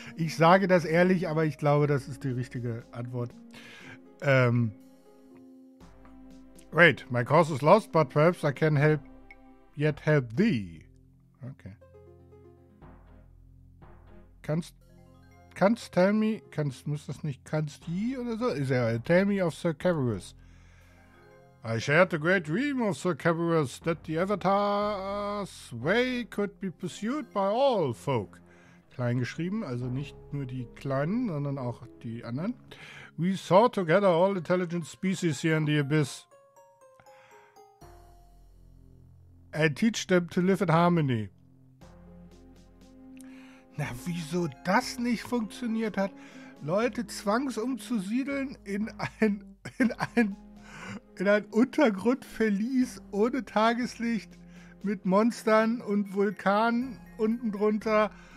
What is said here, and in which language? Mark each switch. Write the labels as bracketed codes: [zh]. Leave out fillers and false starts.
[de] Ich sage das ehrlich, aber ich glaube, das ist die richtige Antwort. [en] Wait, my cause is lost, but perhaps I can help. Yet help thee. Okay. Tell me of Sir Cerberus. I shared the great dream of Sir Cerberus that the Avatar's way could be pursued by all folk. [de] Klein geschrieben, also nicht nur die Kleinen, sondern auch die anderen. [en] We saw together all intelligent species here in the abyss. And teach them to live in harmony. [de] Na, wieso das nicht funktioniert hat, Leute zwangsumzusiedeln in ein Untergrundverlies ohne Tageslicht mit Monstern und Vulkanen unten drunter.